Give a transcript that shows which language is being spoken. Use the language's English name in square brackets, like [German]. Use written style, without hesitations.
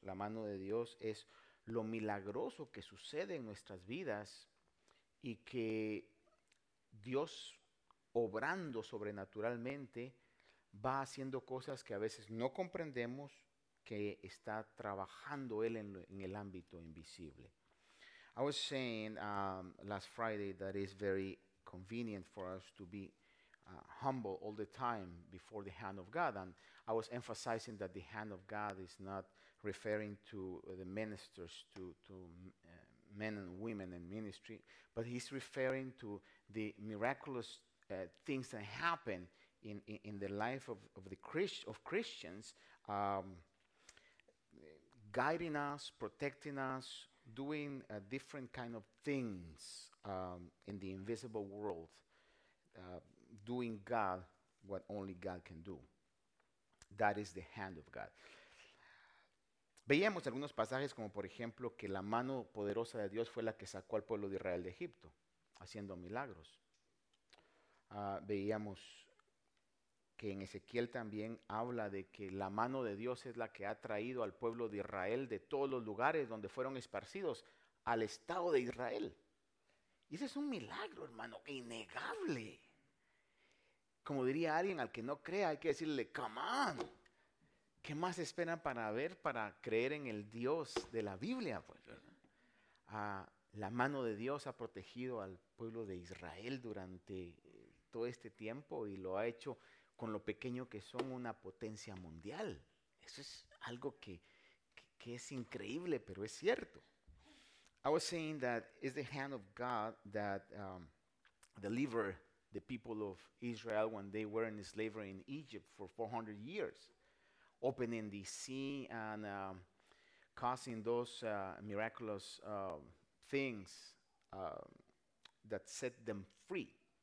[Spanish] La mano de Dios es lo milagroso que sucede en nuestras vidas y que Dios, obrando sobrenaturalmente, va haciendo cosas que a veces no comprendemos que está trabajando Él en el ámbito invisible. [English] I was saying last Friday that it's very convenient for us to be humble all the time before the hand of God. And I was emphasizing that the hand of God is not referring to the ministers, to men and women in ministry, but he's referring to the miraculous things that happen in the life of Christians, guiding us, protecting us, doing a different kind of things in the invisible world, doing God what only God can do. That is the hand of God. [Spanish] Veíamos algunos pasajes como, por ejemplo, que la mano poderosa de Dios fue la que sacó al pueblo de Israel de Egipto, haciendo milagros. Veíamos que en Ezequiel también habla de que la mano de Dios es la que ha traído al pueblo de Israel de todos los lugares donde fueron esparcidos al Estado de Israel. Y ese es un milagro, hermano, innegable. Como diría alguien al que no crea, hay que decirle, [English] come on. [Spanish] ¿Qué más esperan para ver, para creer en el Dios de la Biblia? Pues, la mano de Dios ha protegido al pueblo de Israel durante todo este tiempo y lo ha hecho con lo pequeño que son una potencia mundial. Eso es algo que es increíble, pero es cierto. [English] I was saying that it's the hand of God that delivered the people of Israel when they were in slavery in Egypt for 400 years. Opening the sea and causing those miraculous things that set them free.